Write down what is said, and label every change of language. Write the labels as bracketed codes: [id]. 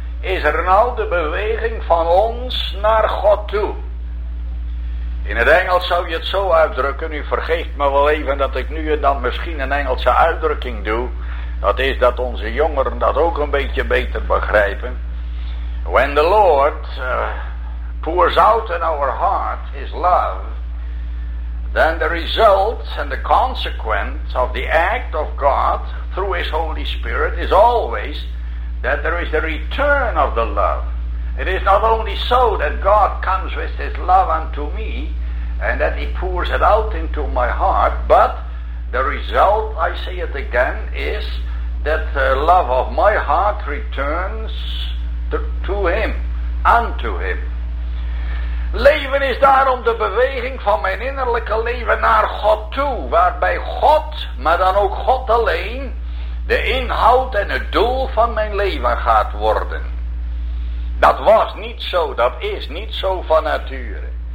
[nl] is er nou de beweging van ons naar God toe. In het Engels zou je het zo uitdrukken, u vergeeft me wel even dat ik nu dan misschien een Engelse uitdrukking doe. Dat is dat onze jongeren dat ook een beetje beter begrijpen. [en] When the Lord pours out in our heart his love, then the result and the consequence of the act of God through his Holy Spirit is always that there is a return of the love. It is not only so that God comes with his love unto me and that he pours it out into my heart, but the result, I say it again, is that the love of my heart returns to him, unto him. [nl] Leven is daarom de beweging van mijn innerlijke leven naar God toe, waarbij God, maar dan ook God alleen, de inhoud en het doel van mijn leven gaat worden. Dat was niet zo, dat is niet zo van nature.